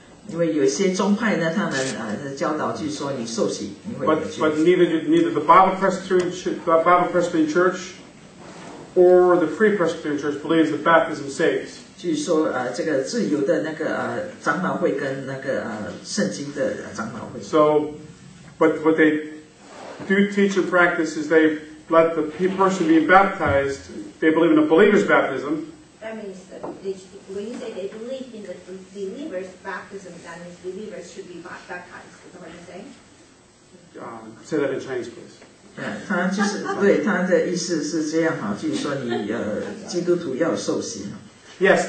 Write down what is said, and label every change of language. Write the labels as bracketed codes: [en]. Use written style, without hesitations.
[zh] 因为有些宗派呢，他们教导就说你受洗你会得救。 [en] But neither the Bible Presbyterian Church. Or the Free Presbyterian Church believes that baptism saves. [zh] 据说, 这个自由的那个, 长老会跟那个, 圣经的长老会。 [en] So, but what they do teach and practice is they let the person be baptized, they believe in a believer's baptism. That means, when you say they believe in the believer's baptism, that means believers should be baptized. Is that what you're saying? Say that in Chinese, please. [zh] 他就是对他的意思是这样哈，就是说你基督徒要受洗。Yes,